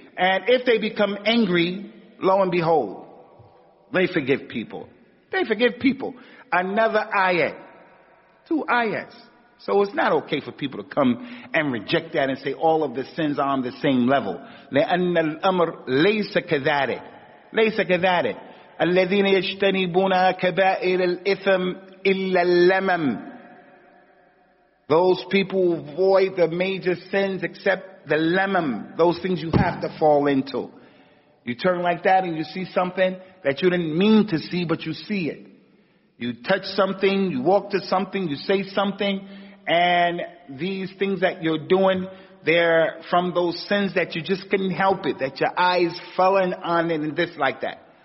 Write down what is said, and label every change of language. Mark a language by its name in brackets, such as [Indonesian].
[English] And if they become angry, lo and behold, they forgive people. They forgive people. Another ayat. Two ayats. So it's not okay for people to come and reject that and say all of the sins are on the same level. [Arabic] لأن الأمر ليس كذلك. ليس كذلك. الذين يجتنبون كبائر الإثم illa lamam. [English] Those people avoid the major sins except the lamam, those things you have to fall into. You turn like that and you see something that you didn't mean to see, but you see it. You touch something, you walk to something, you say something, and these things that you're doing, they're from those sins that you just couldn't help it, that your eyes fell in on it and this like that.